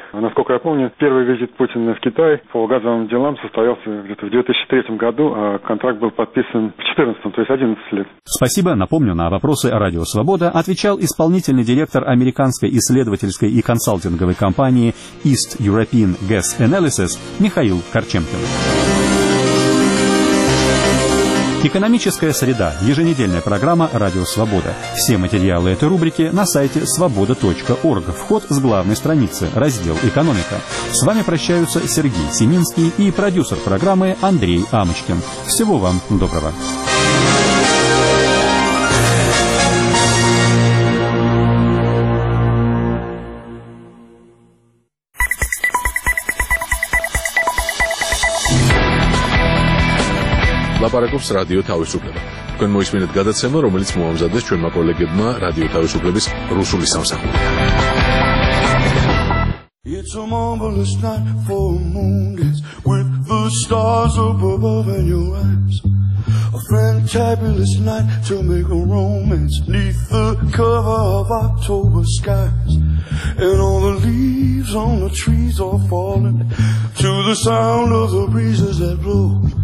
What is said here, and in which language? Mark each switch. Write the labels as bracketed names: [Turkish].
[Russian] Насколько я помню, первый визит Путина в Китай по газовым делам состоялся где-то в 2003 году, а контракт был подписан в 2014, то есть 11 лет. Спасибо. Напомню, на вопросы «Радио Свобода» отвечал исполнительный директор американской исследовательской и консалтинговой компании «ИСТ». [English] East European Gas Analysis Михаил Корчемкин. [Russian] Экономическая среда. Еженедельная программа «Радио Свобода». Все материалы этой рубрики на сайте свобода.орг. Вход с главной страницы. Раздел «Экономика». С вами прощаются Сергей Семинский и продюсер программы Андрей Амочкин. Всего вам доброго. [Georgian] Лапарაკობს რადიო თავისუფლება. თქვენ მოისმინეთ გადაცემა, რომელიც მოამზადეს ჩვენმა კოლეგებმა რადიო თავისუფლების რუსული სამსახური. [English] It's a marvelous night for moon dance with the stars above and your eyes. A fantabulous night to make a romance neath the cover of October skies. And all the leaves on the trees are falling to the sound of the breezes that blow.